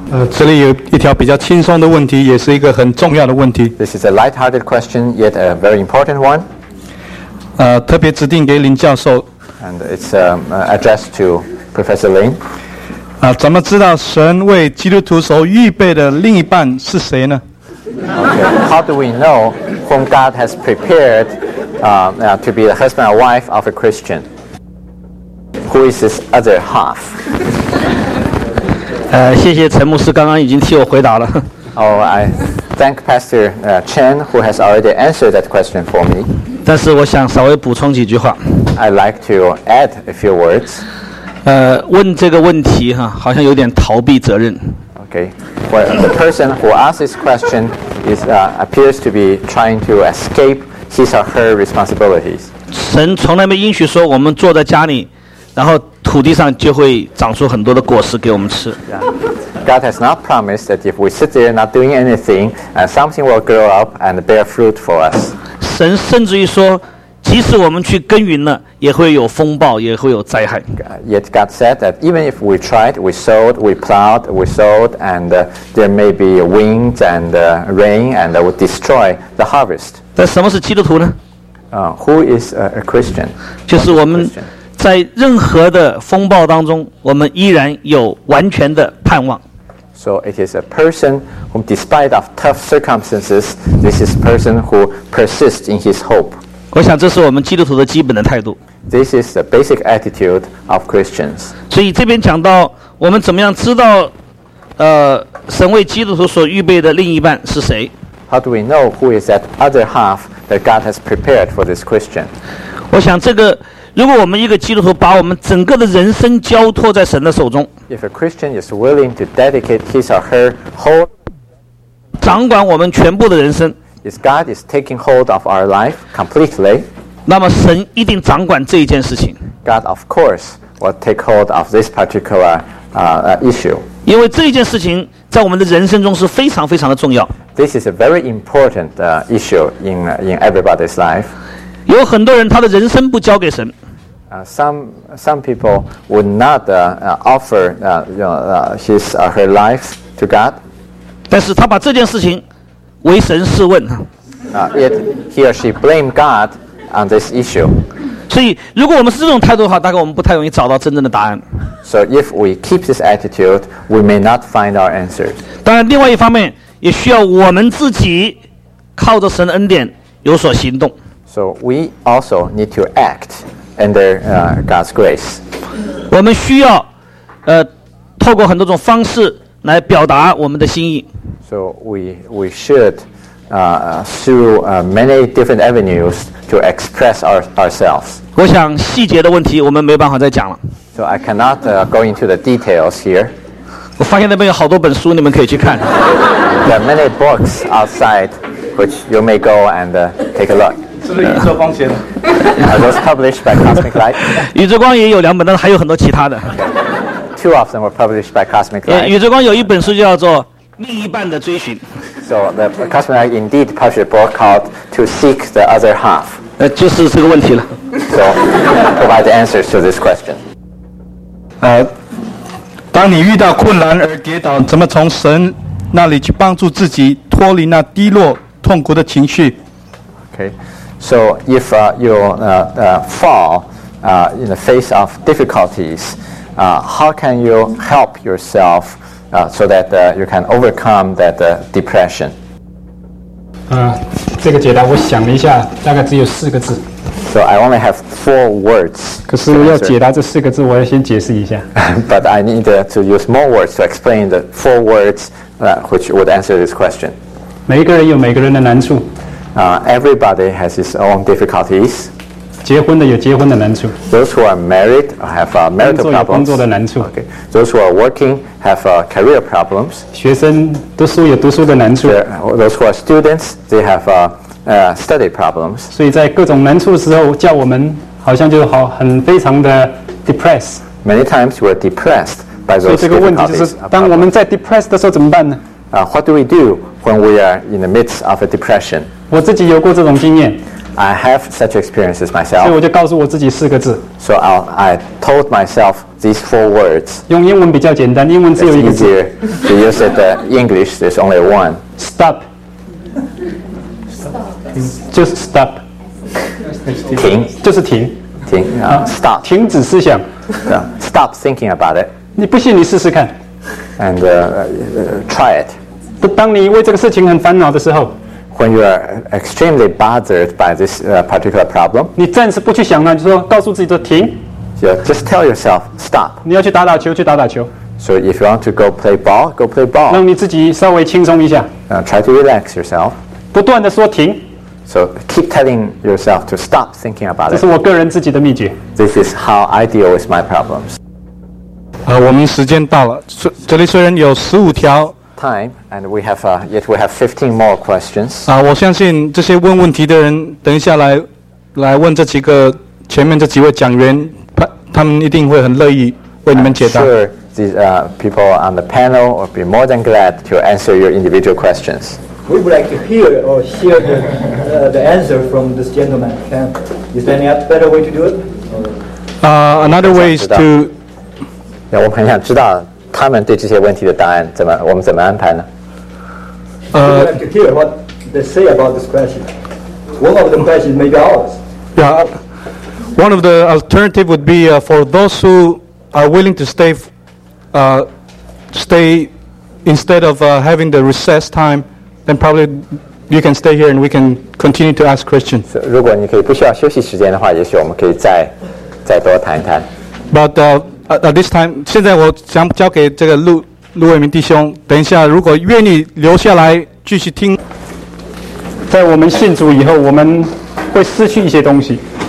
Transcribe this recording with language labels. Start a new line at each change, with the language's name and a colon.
Chinese: 这里有一条比较轻松的问题，也是一个很重要的问题。
English: This is a light-hearted question, yet a very important one.
Chinese: 特别指定给林教授。
English: And it's addressed to Professor Lin.
Chinese: 怎么知道神为基督徒所预备的另一半是谁呢？
English: Okay. How do we know whom God has prepared to be the husband or wife of a Christian? Who is his other half?
Chinese: 谢谢陈牧师刚刚已经替我回答了。
English: Oh, I thank Pastor Chen who has already answered that question for me.
Chinese: 但是我想稍微补充几句话。
English: I'd like to add a few words.
Chinese: 问这个问题哈，好像有点逃避责任。
English: Okay. Well, the person who asks this question is, appears to be trying to escape his or her responsibilities.
Chinese: 神从来没应许说我们坐在家里，然后土地上就会长出很多的果实给我们吃。
English: God has not promised that if we sit there not doing anything, something will grow up and bear fruit for us.
Chinese: 神甚至于说，即使我们去耕耘了，也会有风暴，也会有灾害。
English: Yet God said that even if we tried, we sowed, we plowed, we sowed, and there may be winds and rain, and that would destroy the harvest.
Chinese: 但什么是基督徒呢？
English: Who is a Christian?
Chinese: 就是我们在任何的风暴当中，我们依然有完全的盼望。
English: So it is a person whom, despite of tough circumstances, this is a person who persists in his hope.
Chinese: 我想这是我们基督徒的基本的态度。
English: This is the basic attitude of Christians.
Chinese: 所以这边讲到我们怎么样知道，神为基督徒所预备的另一半是谁。
English: How do we know who is that other half that God has prepared for this Christian?
Chinese: 我想这个，如果我们一个基督徒把我们整个的人生交托在神的手中，
English: If a Christian is willing to dedicate his or her whole
Chinese: 掌管我们全部的人生，
English: If God is taking hold of our life completely,
Chinese: 那么神一定掌管这一件事情。
English: God, of course, will take hold of this particular issue.
Chinese: 因为这一件事情在我们的人生中是非常非常的重要。
English: This is a very important issue in everybody's life.
Chinese: 有很多人他的人生不交给神。
English: Some people would not offer his or her life to God.
Chinese: 但是他把这件事情为神试问。
English: Yet he or she blamed God on this issue.
Chinese: 所以如果我们是这种态度的话，大概我们不太容易找到真正的答案。
English: So if we keep this attitude, we may not find our answers.
Chinese: 当然，另外一方面也需要我们自己靠着神的恩典有所行动。
English: So we also need to act under God's grace.
Chinese: 我们需要透过很多种方式来表达我们的心意。
English: So we should through many different avenues to express ourselves.
Chinese: 我想细节的问题我们没办法再讲了。
English: So I cannot go into the details here.
Chinese: 我发现那边有好多本书，你们可以去看。
English: There are many books outside which you may go and take a look.
Chinese: 是不是宇宙光写的？
English: Are those published by Cosmic Light?
Chinese: 宇宙光也有两本，但还有很多其他的。
English: Okay. Two of them were published by Cosmic Light.
Chinese: 宇宙光有一本书叫做《另一半的追寻》。
English: So the Cosmic Light indeed published a book called To Seek the Other Half.
Chinese: 就是这个问题了。
English: So provide the answers to this question.
Chinese: 当你遇到困难而跌倒，怎么从神那里去帮助自己脱离那低落痛苦的情绪？
English: Okay, so if you fall in the face of difficulties, how can you help yourself so that you can overcome that depression?
Chinese: 这个解答我想了一下，大概只有四个字。
English: So I only have four words.
Chinese: 可是要解答这四个字，我要先解释一下。
English: But I need to use more words to explain the four words which would answer this question.
Chinese: 每个人有每个人的难处。
English: Everybody has his own difficulties.
Chinese: 结婚的有结婚的难处。
English: Those who are married have marital problems.
Chinese: 工作有工作的难处。
English: Okay. Those who are working have career problems.
Chinese: 学生读书有读书的难处。
English: Those who are students, they have study problems.
Chinese: 所以在各种难处的时候，叫我们好像就好很非常的
English: depressed. Many times we're depressed by those difficulties.
Chinese: 所以这个问题就是，当我们在 depressed 的时候怎么办呢？
English: What do we do when we are in the midst of a depression?
Chinese: 我自己有过这种经验。
English: I have such experiences myself.
Chinese: 所以我就告诉我自己四个字。
English: So I told myself these four words.
Chinese: 用英文比较简单，英文只有一个字。
English: It's easier to use it in English. There's only one. Stop. Just stop.
Chinese: 停，就是停。停啊 ，
English: stop.
Chinese: 停止思想。
English: Stop thinking about it.
Chinese: 你不信，你试试看。
English: And try it.
Chinese: 当你为这个事情很烦恼的时候
English: ，When you are extremely bothered by this particular problem,
Chinese: 你暂时不去想了，就说告诉自己说停。
English: Just tell yourself stop.
Chinese: 你要去打打球，去打打球。
English: So if you want to go play ball, go play ball.
Chinese: 让你自己稍微轻松一下。
English: Try to relax yourself.
Chinese: 不断的说停。
English: So keep telling yourself to stop thinking about it.
Chinese: 这是我个人自己的秘诀。
English: This is how I deal with my problems.
Chinese: 我们时间到了。这里虽然有十五条
English: time, and we have yet we have 15 more questions.
Chinese: 我相信这些问问题的人，等一下来问这几个前面这几位讲员，他们一定会很乐意为你们解答。
English: I'm sure these people on the panel will be more than glad to answer your individual questions. We would like to hear or share the answer from this gentleman. Is there any better way to do it? Another way is to.
Chinese: 那我们很想知道他们对这些问题的答案怎么，我们怎么安排呢？
English: We would like to hear what they say about this question. One of the questions may be ours. Yeah. One of the alternative would be for those who are willing to stay instead of having the recess time. Then probably you can stay here and we can continue to ask questions. So,
Chinese: 如果你可以不需要休息时间的话，也许我们可以再多谈一谈。
English: But at this time,
Chinese: 现在我想交给这个陆伟明弟兄。等一下，如果愿意留下来继续听，在我们信主以后，我们会失去一些东西。